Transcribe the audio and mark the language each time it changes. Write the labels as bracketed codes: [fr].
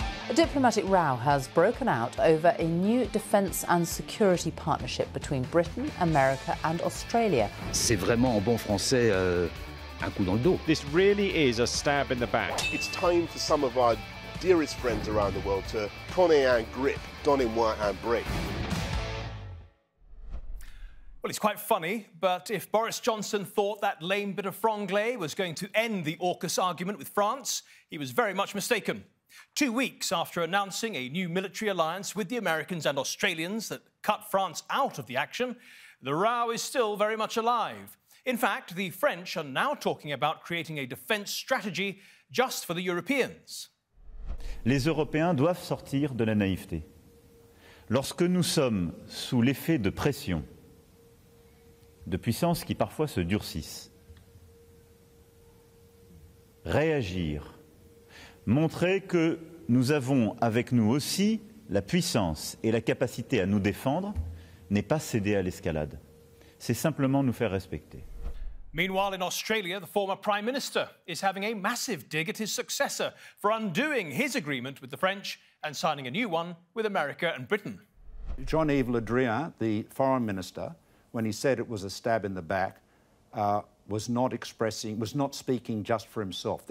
[en] A diplomatic row has broken out over a new defence and security partnership between Britain, America and Australia. [fr] C'est vraiment en bon français un coup dans le dos. [en] This really is a stab in the back. It's time for some of our dearest friends around the world to [fr] prenez un grip, donnez moi un break. [en] Well, it's quite funny, but if Boris Johnson thought that lame bit of franglais was going to end the Aukus argument with France, he was very much mistaken. 2 weeks after announcing a new military alliance with the Americans and Australians that cut France out of the action, the row is still very much alive. In fact, the French are now talking about creating a defence strategy just for the Europeans. [fr] Les Européens doivent sortir de la naïveté. Lorsque nous sommes sous l'effet de pression, de puissances qui parfois se durcissent. Réagir. Montrer que nous avons avec nous aussi la puissance et la capacité à nous défendre n'est pas céder à l'escalade. C'est simplement nous faire respecter. [en] Meanwhile, in Australia, the former Prime Minister is having a massive dig at his successor for undoing his agreement with the French and signing a new one with America and Britain. Jean-Yves Le Drian, the Foreign Minister, when he said it was a stab in the back, was not speaking just for himself.